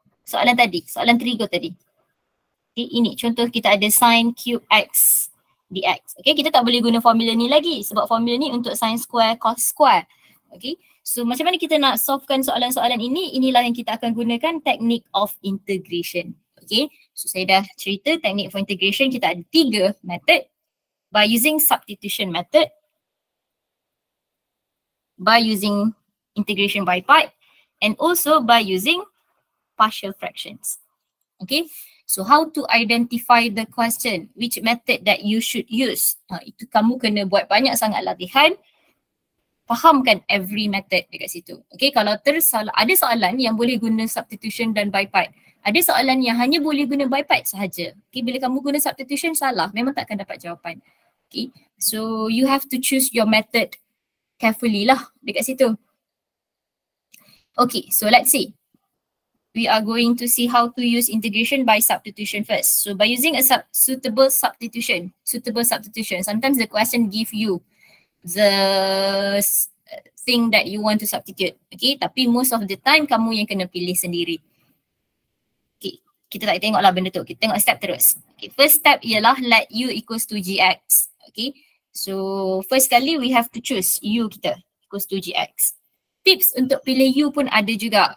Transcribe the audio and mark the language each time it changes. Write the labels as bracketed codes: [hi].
[ms] Soalan tadi, soalan trigo tadi. Okay, ini contoh kita ada sin cube x dx. Okay, kita tak boleh guna formula ni lagi sebab formula ni untuk sin square cos square. Okay, so macam mana kita nak solvekan soalan-soalan ini? Inilah yang kita akan gunakan teknik of integration. Okay, so saya dah cerita teknik of integration, kita ada tiga method. [en] By using substitution method, by using integration by part, and also by using partial fractions. Okay, so how to identify the question, which method that you should use? [ms] Itu kamu kena buat banyak sangat latihan, fahamkan [en] every method [ms] dekat situ. Okay, kalau tersalah, ada soalan yang boleh guna substitution dan by part. Ada soalan yang hanya boleh guna by part sahaja. Okay, bila kamu guna substitution salah, memang takkan dapat jawapan. [en] Okay, so you have to choose your method carefully [ms] lah dekat situ. [en] Okay, so let's see. We are going to see how to use integration by substitution first. So by using a suitable substitution, sometimes the question give you the thing that you want to substitute. [ms] Okay, tapi [en] most of the time [ms] kamu yang kena pilih sendiri. Okay, kita tak tengok lah benda tu. Kita tengok step terus. Okay, first step ialah [en] let u equals to gx. Okay, so first kali we have to choose u kita equals to gx. [ms] Tips untuk pilih u pun ada juga.